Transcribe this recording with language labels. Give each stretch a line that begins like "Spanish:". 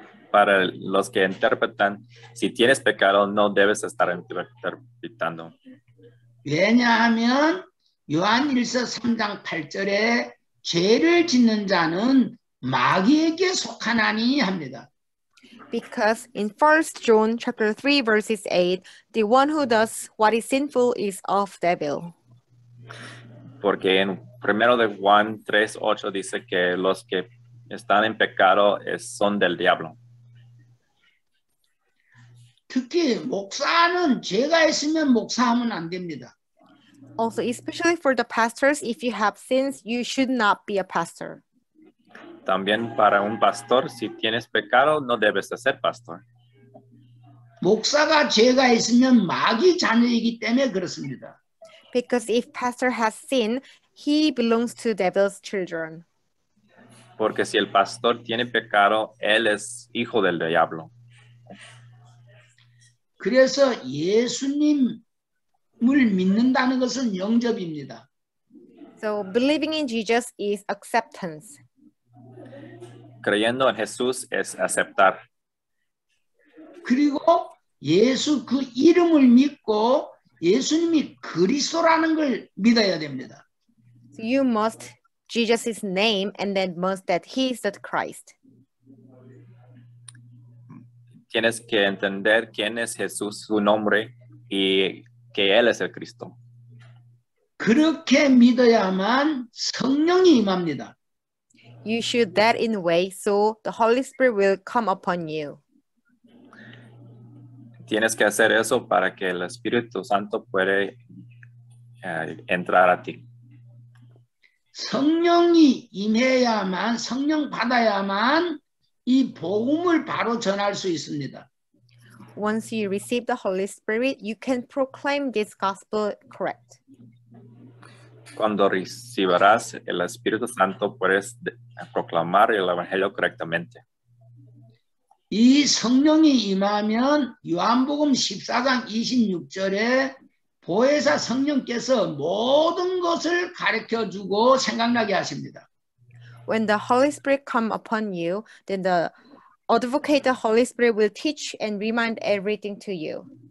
Spanish: Para los que interpretan, si tienes pecado, no debes estar interpretando.
Korean: 왜냐하면 요한일서 3장 8절에 죄를 짓는 자는 마귀에게 속하나니 합니다.
English: Because in 1 John chapter 3 verses 8, the one who does what is sinful is of devil.
Spanish: Porque en 1 Juan 3:8 dice que los que están en pecado son del diablo.
Korean: 특히 목사는 죄가 있으면 목사하면 안 됩니다.
English: Also, especially for the pastors, if you have sins, you should not be a pastor.
Spanish: También para un pastor, si tienes pecado, no debes de ser pastor.
Korean: 목사가 죄가 있으면 마귀 자녀이기 때문에 그렇습니다.
English: Because if pastor has sin, he belongs to devil's children.
Spanish: Porque si el pastor tiene pecado, él es hijo del diablo.
Korean: 그래서 예수님을 믿는다는 것은 영접입니다.
English: So believing in Jesus is acceptance.
Spanish: Creyendo en Jesús es aceptar.
Korean: 그리고 예수 그 이름을 믿고 예수님이 그리스도라는 걸 믿어야 됩니다.
English: So you must Jesus' name and then must that he is the Christ.
Spanish: Tienes que entender quién es Jesús, su nombre, y que Él es el Cristo.
Korean: 그렇게 믿어야만 성령이 임합니다.
English: You should that in way so the Holy Spirit will come upon you.
Spanish: Tienes que hacer eso para que el Espíritu Santo pueda entrar a ti.
Korean: 성령이 임해야만, 성령 받아야만 이 복음을 바로 전할 수 있습니다.
English: Once you receive the Holy Spirit, you can proclaim this gospel correct.
Spanish: Cuando recibirás el Espíritu Santo, puedes proclamar el Evangelio correctamente.
Korean: 이 성령이 임하면 요한복음 14장 26절에 보혜사 성령께서 모든 것을 가르쳐 주고 생각나게 하십니다.
English: When the Holy Spirit comes upon you, then the Advocate, the Holy Spirit, will teach and remind everything to you.